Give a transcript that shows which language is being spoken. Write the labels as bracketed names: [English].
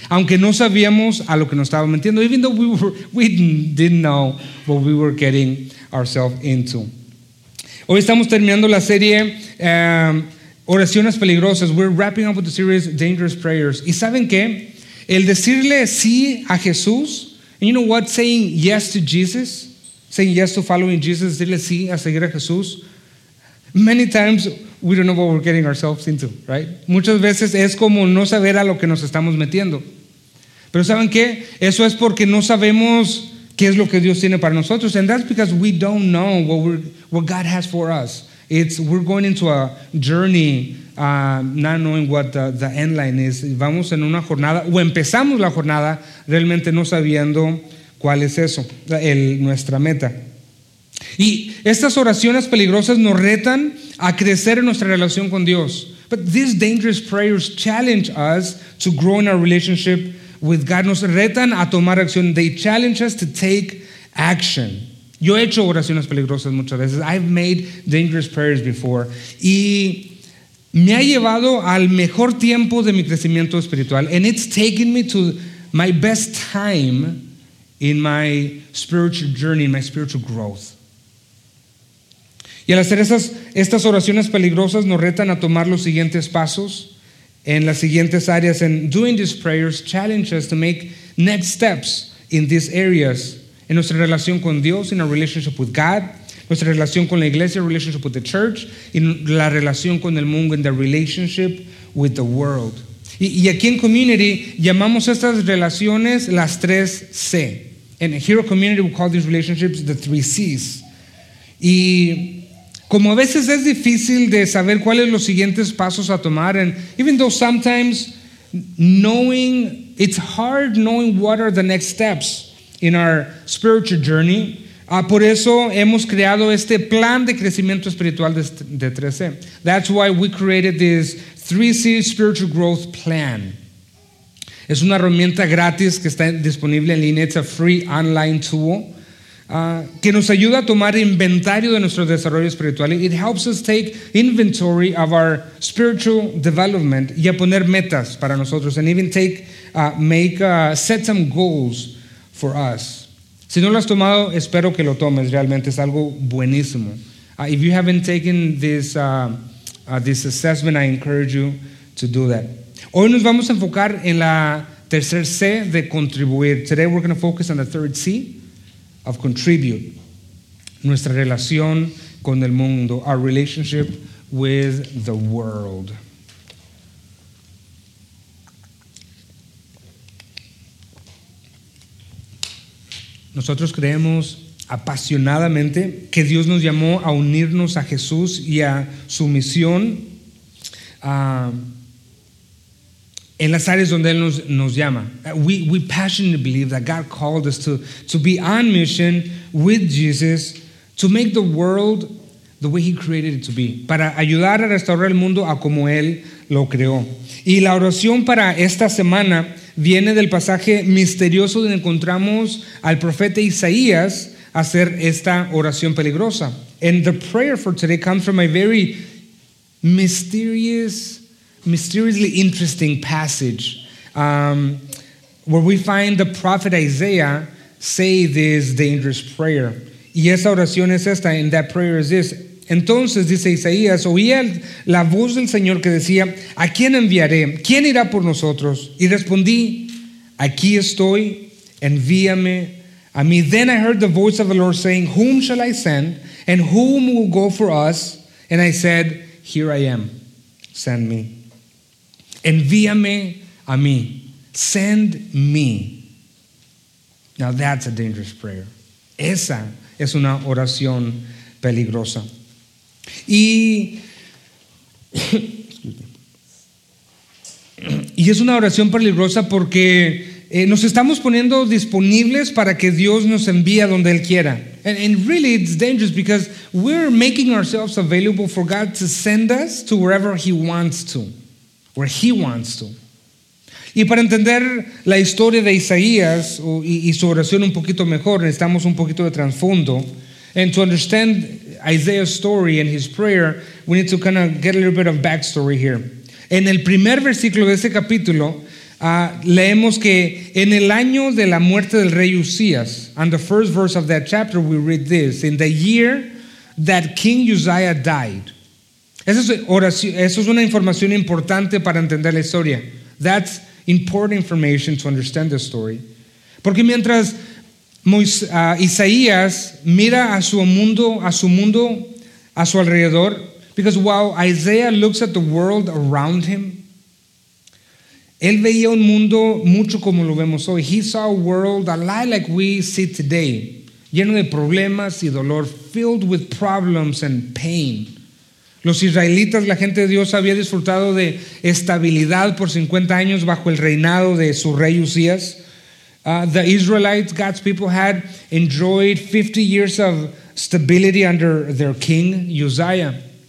[Spanish] Aunque no sabíamos a lo que nos estábamos metiendo. [English] Even though we didn't know what we were getting ourselves into. [Spanish] Hoy estamos terminando la serie Oraciones Peligrosas. [English] We're wrapping up with the series Dangerous Prayers. [Spanish] ¿Y saben qué? El decirle sí a Jesús [English] And you know what? Saying yes to Jesus, saying yes to following Jesus, [Spanish] dile sí a seguir a Jesús, [English] many times we don't know what we're getting ourselves into, right? [Spanish] Muchas veces es como no saber a lo que nos estamos metiendo. Pero ¿saben qué? Eso es porque no sabemos qué es lo que Dios tiene para nosotros. [English] And that's because we don't know what God has for us. It's we're going into a journey, not knowing what the end line is. [Spanish] Vamos en una jornada, o empezamos la jornada realmente no sabiendo cuál es eso, nuestra meta. Y estas oraciones peligrosas nos retan a crecer en nuestra relación con Dios. [English] But these dangerous prayers challenge us to grow in our relationship with God. [Spanish] Nos retan a tomar acción. [English] They challenge us to take action. [Spanish] Yo he hecho oraciones peligrosas muchas veces. [English] I've made dangerous prayers before. [Spanish] Y me ha llevado al mejor tiempo de mi crecimiento espiritual. [English] And it's taken me to my best time in my spiritual journey, in my spiritual growth. [Spanish] Y al hacer estas oraciones peligrosas nos retan a tomar los siguientes pasos en las siguientes áreas. [English] And doing these prayers challenge us to make next steps in these areas. [Spanish] En nuestra relación con Dios, [English] in our relationship with God, [Spanish] nuestra relación con la iglesia, [English] relationship with the church, [Spanish] en la relación con el mundo, [English] in the relationship with the world. [Spanish] Y aquí en Community llamamos estas relaciones las tres C. [English] And here at Community we call these relationships the three C's. [Spanish] Y como a veces es difícil de saber cuáles son los siguientes pasos a tomar, [English] and even though sometimes knowing, it's hard knowing what are the next steps in our spiritual journey, [Spanish] por eso hemos creado este plan de crecimiento espiritual de 3C. [English] That's why we created this 3C spiritual growth plan. [Spanish] Es una herramienta gratis que está disponible en línea. [English] It's a free online tool [Spanish] que nos ayuda a tomar inventario de nuestro desarrollo espiritual. [English] It helps us take inventory of our spiritual development [Spanish] y a poner metas para nosotros, [English] and even set some goals for us. [Spanish] Si no lo has tomado, espero que lo tomes. Realmente es algo buenísimo. [English] If you haven't taken this this assessment, I encourage you to do that. [Spanish] Hoy nos vamos a enfocar en la tercer C de contribuir. [English] Today we're going to focus on the third C of contribute. [Spanish] Nuestra relación con el mundo, [English] our relationship with the world. [Spanish] Nosotros creemos apasionadamente que Dios nos llamó a unirnos a Jesús y a su misión en las áreas donde Él nos llama. [English] We passionately believe that God called us to be on mission with Jesus to make the world the way He created it to be. [Spanish] Para ayudar a restaurar el mundo a como Él lo creó. Y la oración para esta semana viene del pasaje misterioso donde encontramos al profeta Isaías hacer esta oración peligrosa. [English] And the prayer for today comes from a very mysteriously interesting passage where we find the prophet Isaiah say this dangerous prayer. [Spanish] Y esa oración es esta, [English] and that prayer is this. [Spanish] Entonces, dice Isaías, oía la voz del Señor que decía, ¿a quién enviaré? ¿Quién irá por nosotros? Y respondí, aquí estoy, envíame a mí. [English] Then I heard the voice of the Lord saying, whom shall I send? And whom will go for us? And I said, here I am, send me. [Spanish] Envíame a mí, [English] send me. Now that's a dangerous prayer. [Spanish] Esa es una oración peligrosa. Y es una oración peligrosa porque nos estamos poniendo disponibles para que Dios nos envíe a donde Él quiera. [English] And really it's dangerous because we're making ourselves available for God to send us to wherever He wants to, where He wants to. [Spanish] Y para entender la historia de Isaías y su oración un poquito mejor, necesitamos un poquito de trasfondo. [English] And to understand Isaiah's story and his prayer, we need to kind of get a little bit of backstory here. [Spanish] En el primer versículo de ese capítulo, leemos que en el año de la muerte del rey Uzías, [English] on the first verse of that chapter, we read this, in the year that King Uzziah died. [Spanish] Eso es una información importante para entender la historia. [English] That's important information to understand the story. [Spanish] Porque mientras Isaías mira a su mundo, a su alrededor, [English] because while Isaiah looks at the world around him, [Spanish] él veía un mundo mucho como lo vemos hoy. [English] He saw a world a lot like we see today, [Spanish] lleno de problemas y dolor, [English] filled with problems and pain. [Spanish] Los israelitas, la gente de Dios, había disfrutado de estabilidad por 50 años bajo el reinado de su rey Usías. [English] The Israelites, God's people, had enjoyed 50 years of stability under their king, Uzziah.